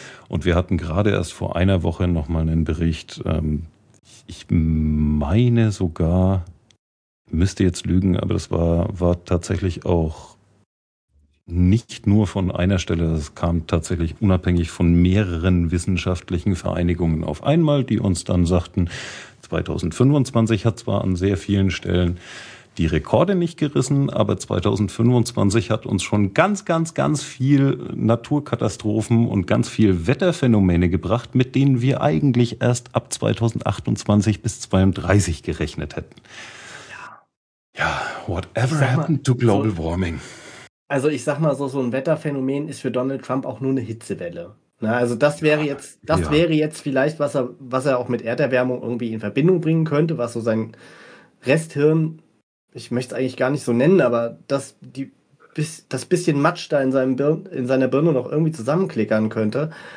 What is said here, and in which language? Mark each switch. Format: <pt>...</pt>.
<de>Und wir hatten gerade erst vor einer Woche nochmal einen Bericht. Ich meine sogar, müsste jetzt lügen, aber das war tatsächlich auch nicht nur von einer Stelle, es kam tatsächlich unabhängig von mehreren wissenschaftlichen Vereinigungen auf einmal, die uns dann sagten, 2025 hat zwar an sehr vielen Stellen die Rekorde nicht gerissen, aber 2025 hat uns schon ganz, ganz, ganz viel Naturkatastrophen und ganz viel Wetterphänomene gebracht, mit denen wir eigentlich erst ab 2028 bis 2032 gerechnet hätten. Ja,</de> <en>whatever happened to global warming?</en> <de>Also ich sag mal so ein Wetterphänomen ist für Donald Trump auch nur eine Hitzewelle. Na, also das wäre jetzt vielleicht, was er auch mit Erderwärmung irgendwie in Verbindung bringen könnte, was so sein Resthirn, ich möchte es eigentlich gar nicht so nennen, aber das bisschen Matsch da in seiner Birne noch irgendwie zusammenklickern könnte.</de>